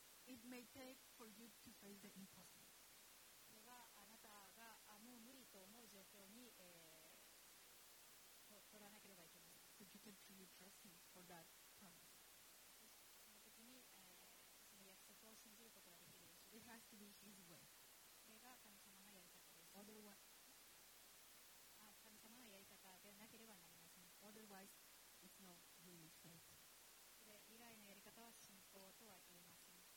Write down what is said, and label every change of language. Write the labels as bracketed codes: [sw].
[en] It may take for you to face the impossible. [ja] それはあなたがもう無理と思う状況に取らなければいけない。 [en] So you can truly trust Him for that promise. [ja] その時に、その約束を信じることができるでしょう。 [en] It has to be His way. [ja] それが神様のやり方です。 [en] Otherwise, [ja] 神様のやり方でなければなりません。 [en] Otherwise, it's not really faith. [ja] それ以外のやり方は信仰とは言えません。